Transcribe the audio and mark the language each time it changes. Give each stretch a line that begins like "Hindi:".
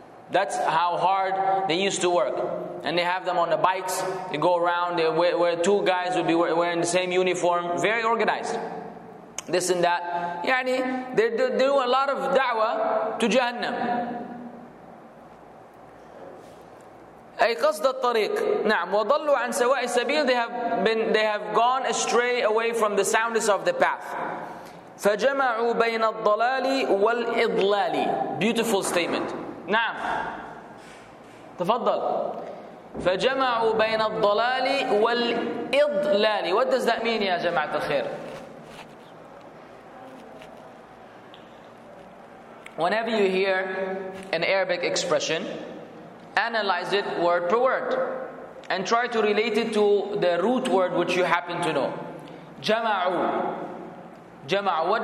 English: That's how hard they used to work. And they have them on the bikes, they go around, where two guys would be wearing the same uniform, very organized. this and that. Yani, they do a lot of da'wah to Jahannam.
Arabic: أي قصد الطريق نعم وضلوا عن سواء السبيل.
English: They have gone astray away from the soundness of the path.
Arabic: فجمعوا بين الضلال والإضلال.
English: Beautiful statement.
Arabic: نعم تفضل. فجمعوا بين الضلال والإضلال.
English: What does that mean
Arabic: يا جماعة الخير؟
English: Whenever you hear an Arabic expression, analyze it word per word and try to relate it to the root word which you happen to know. Jama'u. Jama'u.